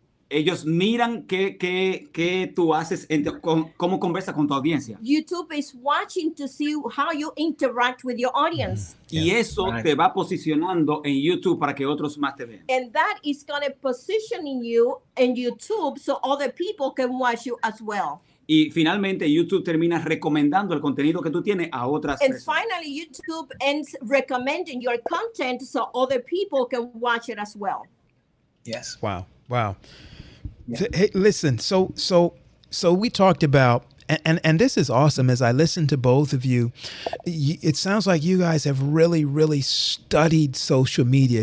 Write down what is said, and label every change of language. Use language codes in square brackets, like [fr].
[es] ellos miran qué tú haces, cómo conversas con tu audiencia. [en] YouTube is watching to see how you interact with your audience. [es] Y eso right. Te va posicionando en YouTube para que otros más te vean. [en] And that is going to position you in YouTube so other people can watch you as well. [es] Y finalmente YouTube termina recomendando el contenido que tú tienes a otras personas. [en] And finally YouTube ends recommending your content so other people can watch it as well. Yes. Wow. Wow. Yeah. Hey, listen, so we talked about, and this is awesome, as I listen to both of you, it sounds like you guys have really, really studied social media.